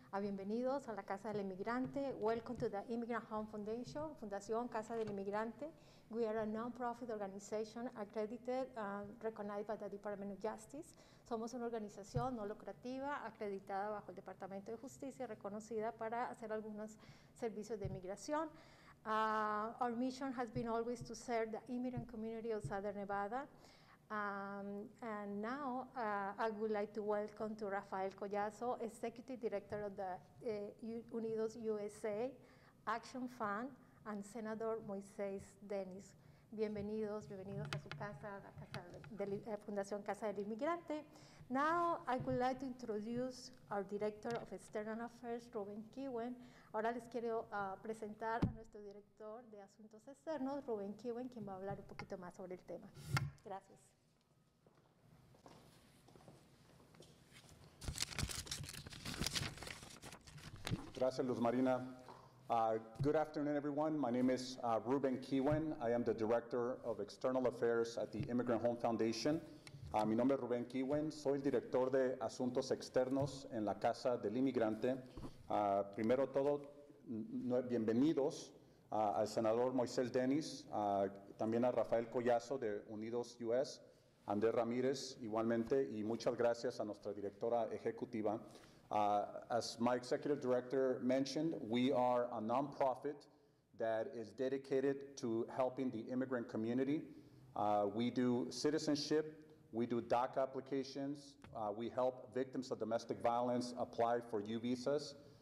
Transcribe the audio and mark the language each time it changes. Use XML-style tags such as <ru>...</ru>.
<es>Bienvenidos a la Casa del Inmigrante.</es> <en>Welcome to the Immigrant Home Foundation,</en> <es>Fundación Casa del Inmigrante.</es> <en>We are a non-profit organization accredited, recognized by the Department of Justice.</en> <es>Somos una organización no lucrativa, acreditada bajo el Departamento de Justicia, reconocida para hacer algunos servicios de inmigración.</es> <en>Our mission has been always to serve the immigrant community of Southern Nevada. And now I would like to welcome to Rafael Collazo, Executive Director of the Unidos USA Action Fund, and Senator Moisés Dennis.</en> <es>Bienvenidos, bienvenidos a su casa, la casa de la Fundación Casa del Inmigrante.</es> <en>Now I would like to introduce our Director of External Affairs, Rubén Kiwen.</en> <es>Ahora les quiero presentar a nuestro Director de Asuntos Externos, Rubén Kiwen, quien va a hablar un poquito más sobre el tema. Gracias. Gracias,</es> <en>Luz Marina. Good afternoon, everyone. My name is Ruben Kiwen. I am the Director of External Affairs at the Immigrant Home Foundation.</en> <es>Mi nombre es Ruben Kiwen. Soy el Director de Asuntos Externos en la Casa del Inmigrante. Primero todo, bienvenidos al Senador Moisés Dennis, también a Rafael Collazo de Unidos US, Andrés Ramírez igualmente, y muchas gracias a nuestra directora ejecutiva.</es> <en>As my executive director mentioned, we are a nonprofit that is dedicated to helping the immigrant community. We do citizenship, we do DACA applications, we help victims of domestic violence apply for U visas.</en>